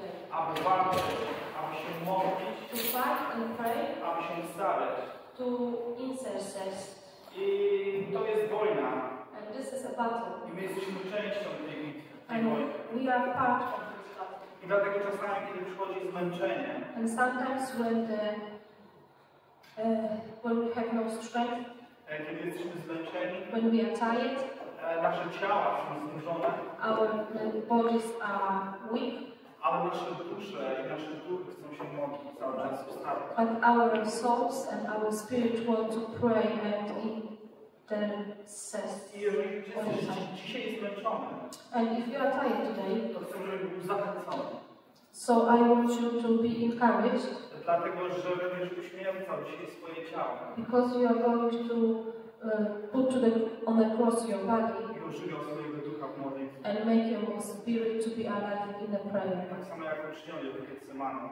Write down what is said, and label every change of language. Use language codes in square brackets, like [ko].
[pl] Aby walczyć, aby się modlić. [en] To fight and pray. [pl] Aby się wstawiać. [en] To intercess. [pl] I to jest wojna. [en] And this is a battle. [pl] I my jesteśmy częścią tej bitwy. [en] And we are part of. [pl] I dlatego czasami, kiedy przychodzi zmęczenie. [en] And sometimes when the when we have no strength. [pl] Kiedy jesteśmy zmęczeni. [en] When we are tired. [pl] Nasze ciała są zmęczone. [en] Our bodies are weak. [pl] Ale nasze dusze i nasze duchy chcą się modlić cały czas wstawać. [en] But our souls and our spirit want to pray and then says. [pl] Dzisiaj zmęczony. [en] And if you are tired today, [pl] to chcę, żeby był zachęcony. [en] So I want you to be encouraged. [pl] Dlatego, że będziesz uśmiercał dzisiaj swoje ciało. [en] Because you are going to put to the on the cross your body. [pl] I ożywiał swojego ducha w modlitwie. [en] And make your spirit to be alive in the prayer. [pl] Tak samo jak uczniowie w Getsemani.